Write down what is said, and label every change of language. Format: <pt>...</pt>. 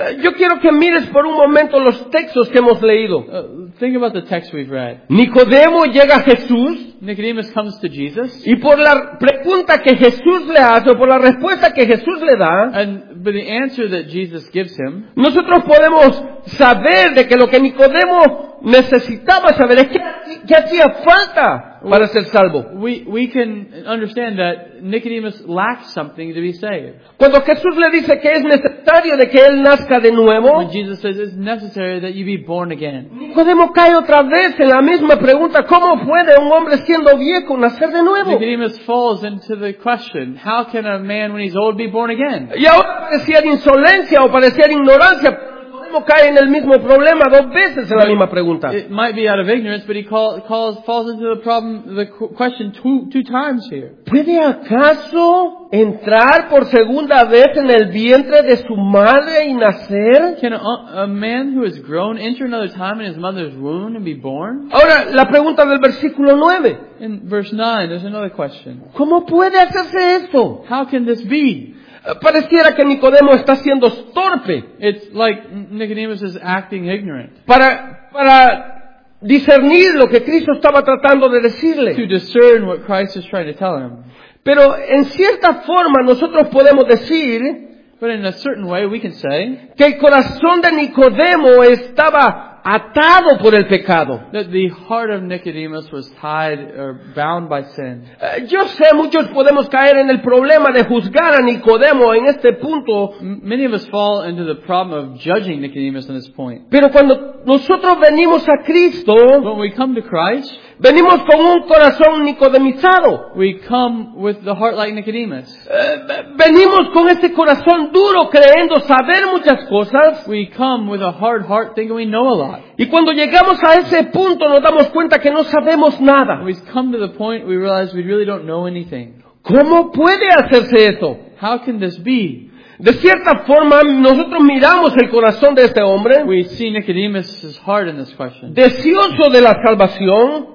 <es>Yo quiero que mires por un momento los textos que hemos leído.</es> <en>Think about the text we've read.</en> <es>Nicodemo llega a Jesús.</es> <en>Nicodemus comes to Jesus.</en> <es>Y por la pregunta que Jesús le hace, o por la respuesta que Jesús le da,</es> <en>but the answer that Jesus gives him,</en> <es>nosotros podemos saber de que lo que Nicodemo necesitaba saber es que hacía falta para ser salvo.</es> <en>We can understand that Nicodemus lacks something to be saved.</en> <es>Cuando Jesús le dice que es necesario de que él nazca de nuevo,</es> <en>when Jesus says it's necessary that you be born again,</en> <es>Nicodemo cae otra vez en la misma pregunta, ¿cómo puede un hombre siendo viejo nacer de nuevo?</es> <en>Nicodemus falls into the question, how can a man when he's old be born again?</en> <es>Y ahora parecía de insolencia o parecía de ignorancia, cae en el mismo problema dos veces en la misma pregunta.</es> <en>It might be out of ignorance, but he falls into the problem, the question two times here.</en> <es>¿Puede acaso entrar por segunda vez en el vientre de su madre y nacer?</es> <en>Can a man who has grown enter another time in his mother's womb and be born?</en> <es>Ahora, la pregunta del versículo 9.</es> <en>In verse 9, there's another question.</en> <es>¿Cómo puede hacerse esto?</es> <en>How can this be?</en> <es>Pareciera que Nicodemo está siendo torpe.</es> <en>It's like Nicodemus is acting ignorant.</en> <es>Para discernir lo que Cristo estaba tratando de decirle.</es> <en>To discern what Christ is trying to tell him.</en> <es>Pero en cierta forma nosotros podemos decir,</es> <en>but in a certain way we can say,</en> <es>que el corazón de Nicodemo estaba atado por el pecado.</es> <en>That the heart of Nicodemus was tied or bound by sin.</en> <es>Yo sé, muchos podemos caer en el problema de juzgar a Nicodemo en este punto.</es> <en>Many of us fall into the problem of judging Nicodemus in this point.</en> <es>Pero cuando nosotros venimos a Cristo,</es> <en>when we come to Christ,</en> <es>Venimos con un corazón nicodemizado.</es> <en>We come with the heart like Nicodemus.</en> <es>Venimos con ese corazón duro creyendo saber muchas cosas.</es> <en>We come with a hard heart thinking we know a lot.</en> <es>Y cuando llegamos a ese punto nos damos cuenta que no sabemos nada.</es> <en>We come to the point we realize we really don't know anything.</en> <es>¿Cómo puede hacerse eso?</es> <en>How can this be?</en> <es>De cierta forma, nosotros miramos el corazón de este hombre.</es> <en>We see Nicodemus's heart in this question.</en> <es>Deseoso de la salvación.</es>